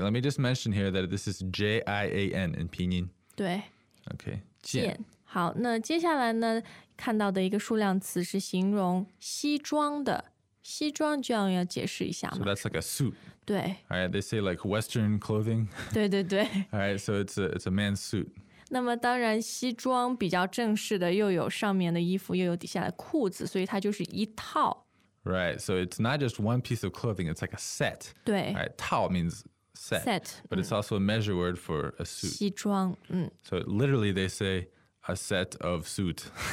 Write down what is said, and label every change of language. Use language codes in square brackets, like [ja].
[en] let me just mention here that this is J-I-A-N in pinyin. [zh] 对。Okay,件。好,那接下来呢,看到的一个数量词是形容西装的,西装就要解释一下嘛。 [en] So that's like a suit. [zh] 对。 [en] All right, they say like Western clothing. [zh] 对对对。 [en] All right, so it's a man's suit. [zh] 那么当然西装比较正式的,又有上面的衣服,又有底下的裤子,所以它就是一套。 [en] Right, so it's not just one piece of clothing, it's like a set. [zh] 对。 [en] All right, 套 means set. Set. But it's also a measure word for a suit. [zh] 西装, [en] So literally they say, a set of suit.